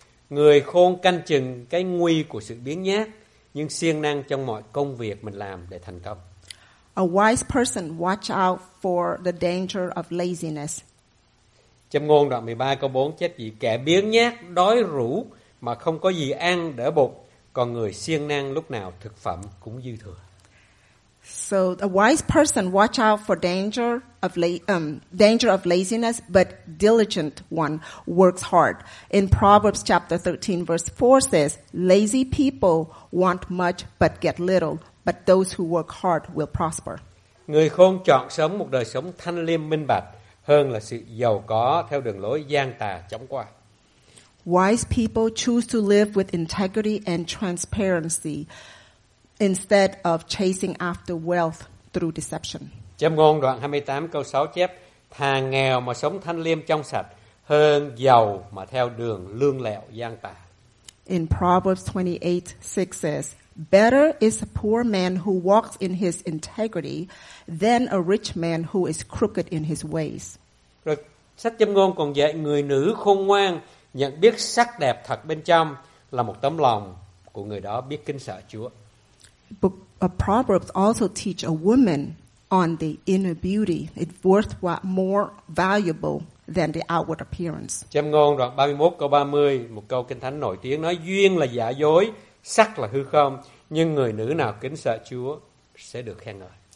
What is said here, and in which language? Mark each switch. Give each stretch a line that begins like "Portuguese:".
Vietnamese: Người khôn canh chừng cái nguy của sự biếng nhác, nhưng siêng năng trong mọi công việc mình làm để thành công.
English: A wise person watch out for the danger of laziness.
Vietnamese: Châm Ngôn đoạn 13 câu 4 chép gì? Kẻ biếng nhác đói rũ mà không có gì ăn đỡ bụng, còn người siêng năng lúc nào thực phẩm cũng dư thừa.
English: So a wise person watch out for danger of laziness, but diligent one works hard. In Proverbs chapter 13 verse 4 says, lazy people want much but get little, but those who work hard will prosper.
Vietnamese: Người khôn chọn sống một đời sống thanh liêm minh bạch hơn là sự giàu có theo đường lối gian tà chóng qua.
English: Wise people choose to live with integrity and transparency instead of chasing after wealth through deception.
Vietnamese: Châm Ngôn đoạn 28 câu 6 chép: Thà nghèo mà sống thanh liêm trong sạch hơn giàu mà theo đường lương lẹo gian tà.
English: In Proverbs 28:6 says, better is a poor man who walks in his integrity than a rich man who is crooked in his ways.
Vietnamese: Rồi sách Châm Ngôn còn dạy người nữ khôn ngoan nhận biết sắc đẹp thật bên trong là một tấm lòng của người đó biết kính sợ Chúa.
English: Book of Proverbs also teach a woman on the inner beauty. It's worthwhile, more valuable than the outward appearance.
Vietnamese: Châm Ngôn đoạn 31 câu 30, một câu kinh thánh nổi tiếng nói: Duyên là giả dối, sắc là hư không, nhưng người nữ nào kính sợ Chúa sẽ được khen ngợi.